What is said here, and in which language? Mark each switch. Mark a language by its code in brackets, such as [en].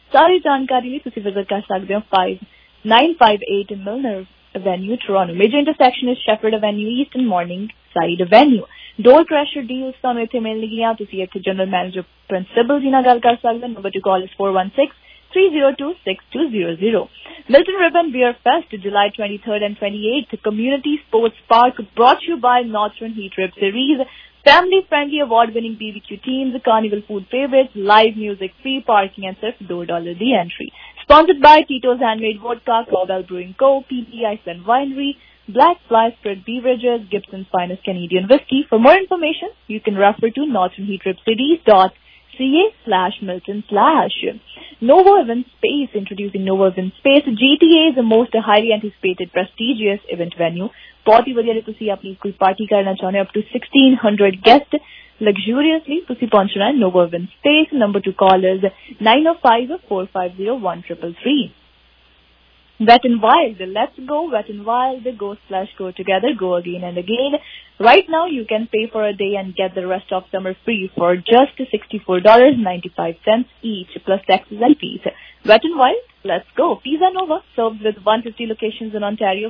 [pa] ਸਾਰੀ ਜਾਣਕਾਰੀ ਲਈ ਤੁਸੀਂ ਵਿਜ਼ਿਟ ਕਰ ਸਕਦੇ ਹੋ 5958 ਮਿਲਨਰ avenue, Toronto. [en] Major intersection is Shepherd avenue east and Morningside avenue. [pa] Door crusher deals ਤੁਹਾਨੂੰ ਇੱਥੇ ਮਿਲਣਗੀਆਂ. ਤੁਸੀਂ ਇੱਥੇ ਜਨਰਲ ਮੈਨੇਜਰ ਪ੍ਰਿੰਸੀਪਲ ਜੀ ਨਾਲ ਗੱਲ ਕਰ ਸਕਦੇ. [en] Number to call is 416-3026-2000. Milton Ribbon Beer Fest, July 23rd and 28th, Community Sports Park, brought to you by Northern Heat Rip Series, family-friendly award-winning BBQ teams, carnival food favorites, live music, free parking, and just $2 the entry. Sponsored by Tito's Handmade Vodka, Clawbell Brewing Co., PB Iceland Winery, Black Fly Spirit Beverages, Gibson's Finest Canadian Whiskey. For more information, you can refer to northernheatripcities.ca/Milton/. Nova Event Space, introducing Nova Event Space. GTA is the most highly anticipated prestigious event venue. [pa] ਬਹੁਤ ਹੀ ਵਧੀਆ ਜੇ ਤੁਸੀਂ ਆਪਣੀ ਕੋਈ party ਕਰਨਾ ਚਾਹੁੰਦੇ ਹੋ, [en] up to 1600 guest, [pa] ਲਗਜ਼ੂਰੀਅਸਲੀ ਤੁਸੀਂ ਪਹੁੰਚਣਾ ਹੈ ਨੋਵਾ win space. [en] Number to call is 905-450-1333. Wet and Wild, let's go Wet and Wild, go together, go again and again. Right now you can pay for a day and get the rest of summer free for just $64.95 each, plus taxes and fees. Wet and Wild, let's go. Pizza Nova serves with 150 locations in Ontario.